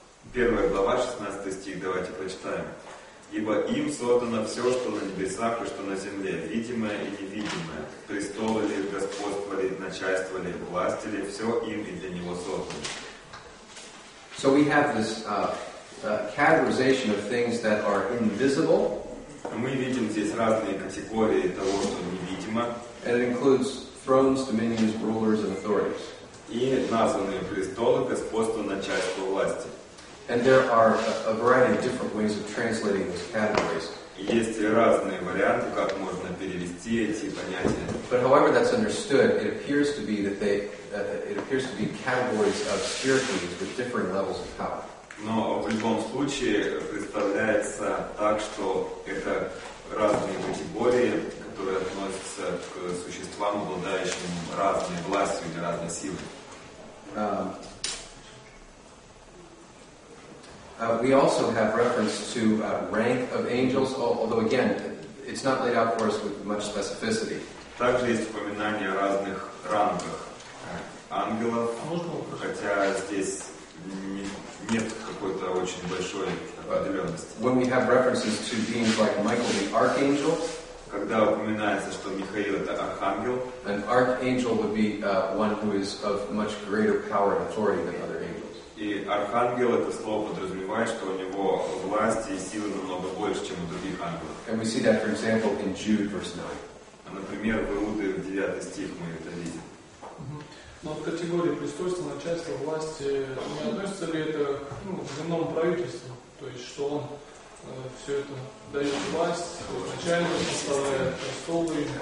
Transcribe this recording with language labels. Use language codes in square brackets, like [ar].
[ru] Первая глава, 16 стих, давайте прочитаем. «Ибо им создано все, что на небесах и что на земле, видимое и невидимое, престолы ли, господство ли, начальство ли, власти ли, все им и для него создано». [en] So we have this categorization of things that are invisible. [ru] Мы видим здесь разные категории того, что невидимо. [en] And it includes thrones, dominions, rulers, and authorities. [ru] И названные престолы, господство, начальство, власти. [en] And there are a variety of different ways of translating these categories. [ru] Есть разные варианты, как можно перевести эти понятия. [en] But however that's understood, it appears to be that they it appears to be categories of spirit beings with different levels of power. [ru] Но в любом случае представляется так, что это разные категории, которые относятся к существам, обладающим разной властью или разной силой. [en] We also have reference to rank of angels, although again, it's not laid out for us with much specificity. [ru] Также есть упоминание о разных рангах ангелов, хотя здесь нет какой-то очень большой определенности. [en] When we have references to beings like Michael the Archangel, [ru] когда упоминается, что Михаил это архангел, [en] an archangel would be one who is of much greater power and authority than other angels. [ru] И архангел это слово подразумевает, что у него власти и силы намного больше, чем у других ангелов. [en] And we see that, for example, in Jude, verse 9. [ru] А, например, в Иуде, 9 стих, мы это видим. Но в категории престольства, начальства, власти, не относится ли это к земному правительству? То есть, что он все это дает власть, начальство составляет, престолы.